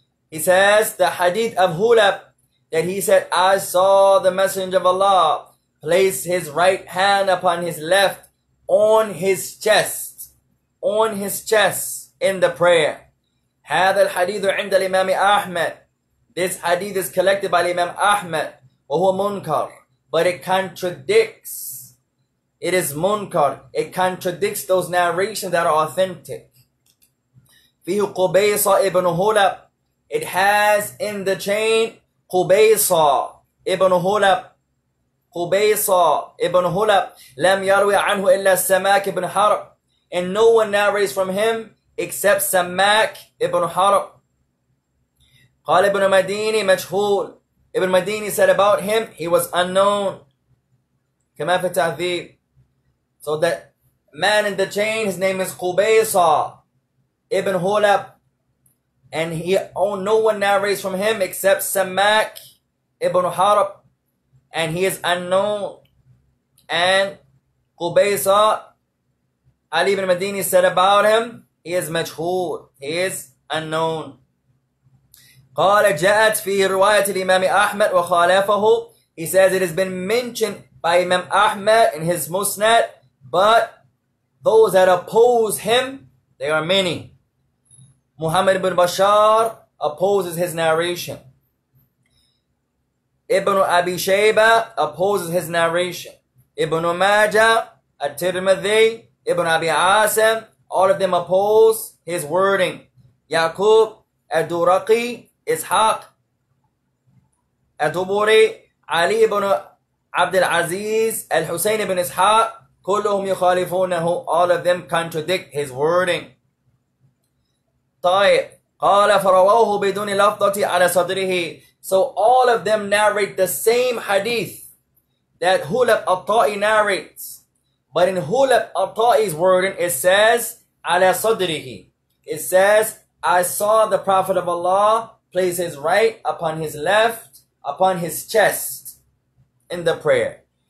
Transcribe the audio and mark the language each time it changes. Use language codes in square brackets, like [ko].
[en] He says, the hadith of Hulab, that he said, I saw the Messenger of Allah place his right hand upon his left on his chest in the prayer. [ar] هذا الحديث عند الإمام أحمد. [en] This hadith is collected by Imam Ahmad, [ar] وهو منكر. [en] But it is منكر. It contradicts those narrations that are authentic. [ar] فيه قبيصة ابن هولب. [en] It has in the chain Qubaysa ibn Hulab. [ar] Qubaysa ibn Hulab. Lam yarwi anhu illa Samak ibn Harb. [en] And no one narrates from him except Samak ibn Harb. [ar] Qal ibn Madini majhul. [en] Ibn Madini said about him, he was unknown. [ar] Kama fi tahdhib. [en] So that man in the chain, his name is Qubaysa ibn Hulab. And no one narrates from him except Samak ibn Harb. And he is unknown. And Qubaysa, Ali ibn Madini said about him, he is majhool. He is unknown. [ar] قال جاءت في رواية الإمام أحمد وخالفه. [en] He says it has been mentioned by Imam Ahmad in his Musnad, but those that oppose him, they are many. Muhammad ibn Bashar opposes his narration. Ibn Abi Shayba opposes his narration. Ibn Majah, At-Tirmidhi, Ibn Abi Asim, all of them oppose his wording. Yaqub, Ad-Duraqi, Ishaq, Ad-Duburi, Ali ibn Abdul Aziz, Al-Husayn ibn Ishaq, [ar] كلهم يخالفونه, [en] all of them contradict his wording. [ar] طيب قال فرواه بدون لفظة على صدره. [en] So all of them narrate the same hadith that Hulab al-Ta'i narrates. But in Hulab al-Ta'i's wording, it says [ar] على صدره. [en] It says, I saw the Prophet of Allah place his right upon his left, upon his chest in the prayer.